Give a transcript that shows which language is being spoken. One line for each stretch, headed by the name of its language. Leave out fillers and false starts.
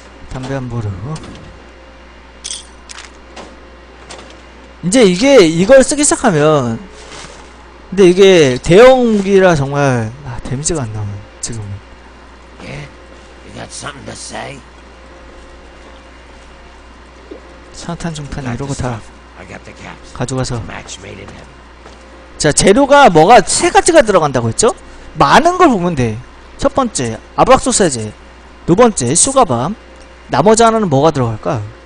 Korean: 담배 한 보루. 이제 이게 이걸 쓰기 시작하면, 근데 이게 대형 무기라 정말 아, 데미지가 안 나와 지금.
English: Yeah, you got something to say?
Korean: 산탄 중탄 이런 거 다 가져가서. 자, 재료가 뭐가 세 가지가 들어간다고 했죠? 많은 걸 보면 돼. 첫 번째 아브락 소세지, 두 번째 슈가밤, 나머지 하나는 뭐가 들어갈까?